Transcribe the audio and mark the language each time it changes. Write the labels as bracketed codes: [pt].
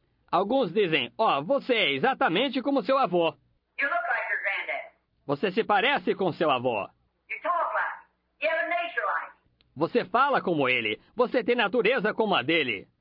[pt] Alguns dizem, você é exatamente como seu avô. [en] You look like your granddad. [pt] Você se parece com seu avô. [en] You talk like, you have a nature like. [pt] Você fala como ele. Você tem natureza como a dele.